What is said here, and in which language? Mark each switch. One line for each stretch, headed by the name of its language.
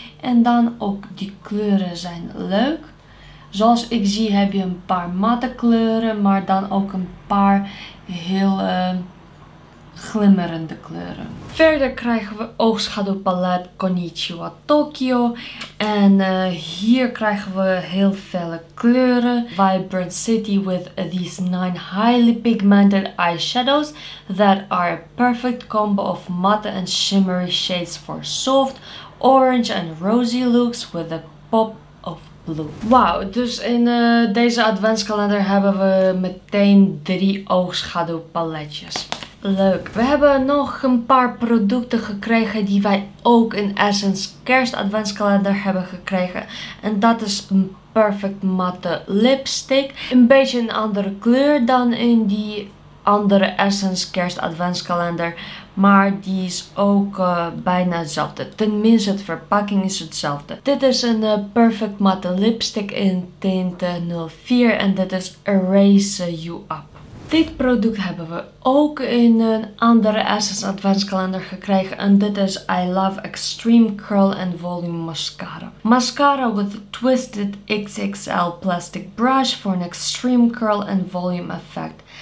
Dutch: En dan ook die kleuren zijn leuk. Zoals ik zie heb je een paar matte kleuren. Maar dan ook een paar heel glimmerende kleuren. Verder krijgen we oogschaduwpalet Konnichiwa Tokyo. En hier krijgen we heel felle kleuren.
English: Vibrant City with these 9 highly pigmented eyeshadows that are a perfect combo of matte and shimmery shades for soft orange and rosy looks with a pop of blue.
Dutch: Wauw, dus in deze adventskalender hebben we meteen 3 oogschaduwpaletjes. Leuk. We hebben nog een paar producten gekregen die wij ook in Essence Kerst Adventskalender hebben gekregen. En dat is een perfect matte lipstick. Een beetje een andere kleur dan in die andere Essence Kerst Adventskalender. Maar die is ook bijna hetzelfde. Tenminste, de verpakking is hetzelfde. Dit is een perfect matte lipstick in tint 04. En dit is Erase You Up. Dit product hebben we ook in een andere Essence Adventskalender gekregen. En dit is I Love Extreme Curl and Volume Mascara.
English: Mascara with a twisted XXL plastic brush for an extreme curl and volume effect.